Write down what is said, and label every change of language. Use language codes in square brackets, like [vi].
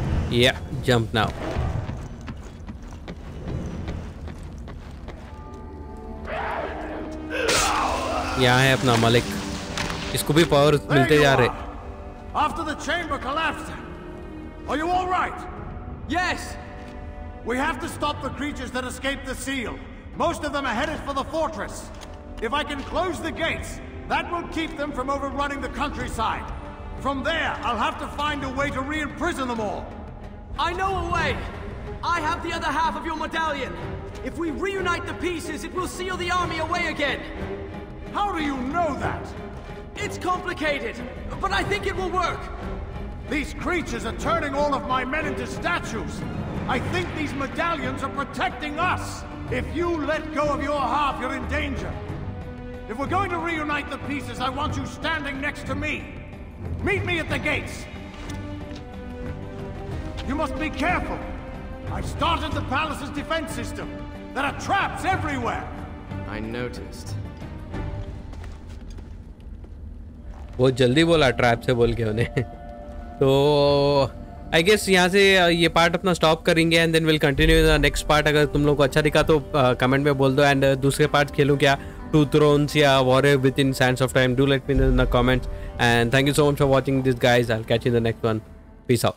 [en] या jump now, [hi] यहाँ है अपना मलिक, इसको भी पावर मिलते जा रहे। [en] After the chamber collapsed, are you all right? Yes. We have to stop the creatures that escaped the seal. Most of them are headed for the fortress. If I can close the gates, that will keep them from overrunning the countryside. From there, I'll have to find a way to re-imprison them all. I know a way. I have the other half of your medallion. If we reunite the pieces, it will seal the army away again. How do you know that? It's complicated, but I think it will work. These creatures are turning all of my men into statues. I think these medallions are protecting us. If you let go of your half, you're in danger. If we're going to reunite the pieces, I want you standing next to me. Meet me at the gates. You must be careful. I started the palace's defense system. There are traps everywhere. I noticed. [hi] वो जल्दी बोला trap से बोल के उन्हें तो [en] I guess [hi] यहाँ से ये पार्ट अपना स्टॉप करेंगे [en] And then will continue the next part. [hi] अगर तुम लोग को अच्छा दिखा तो कमेंट में बोल दो एंड दूसरे पार्ट खेलूँ क्या, [en] Two thrones या warrior within sands of time, do let me in the comments. And thank you so much for watching this guys, I will catch in the next one. Peace out.